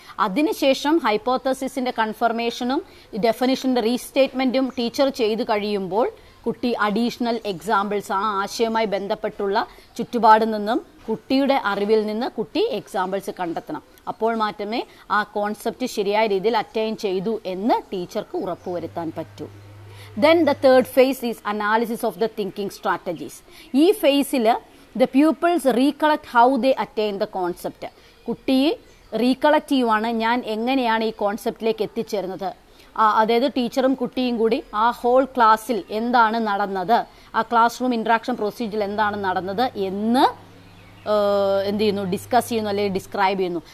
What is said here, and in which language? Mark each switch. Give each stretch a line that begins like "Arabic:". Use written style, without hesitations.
Malayalam: അതിനുശേഷം ഹൈപ്പോത്തസിസിൻ്റെ കൺഫർമേഷനും ഡെഫിനിഷൻ്റെ റീസ്റ്റേറ്റ്മെൻറ്റും ടീച്ചർ ചെയ്ത് കഴിയുമ്പോൾ കുട്ടി അഡീഷണൽ എക്സാമ്പിൾസ് ആ ആശയവുമായി ബന്ധപ്പെട്ടുള്ള ചുറ്റുപാട് നിന്നും കുട്ടിയുടെ അറിവിൽ നിന്ന് കുട്ടി എക്സാമ്പിൾസ് കണ്ടെത്തണം. അപ്പോൾ മാത്രമേ ആ കോൺസെപ്റ്റ് ശരിയായ രീതിയിൽ അറ്റൈൻ ചെയ്തു എന്ന് ടീച്ചർക്ക് ഉറപ്പുവരുത്താൻ പറ്റൂ.
English: Then the third phase is analysis of the thinking strategies.
Malayalam: ഈ ഫേസിൽ
English: The pupils recollect how they attain the concept.
Malayalam: കുട്ടിയെ റീകളക്ട് ചെയ്യുവാണ്, ഞാൻ എങ്ങനെയാണ് ഈ കോൺസെപ്റ്റിലേക്ക് എത്തിച്ചേർന്നത്. അതായത് ടീച്ചറും കുട്ടിയും കൂടി ആ ഹോൾ ക്ലാസ്സിൽ എന്താണ് നടന്നത്, ആ ക്ലാസ് റൂം ഇൻട്രാക്ഷൻ പ്രൊസീജിയർ എന്താണ് നടന്നത് എന്ന് എന്ത് ചെയ്യുന്നു, ഡിസ്കസ് ചെയ്യുന്നു അല്ലെങ്കിൽ ഡിസ്ക്രൈബ് ചെയ്യുന്നു.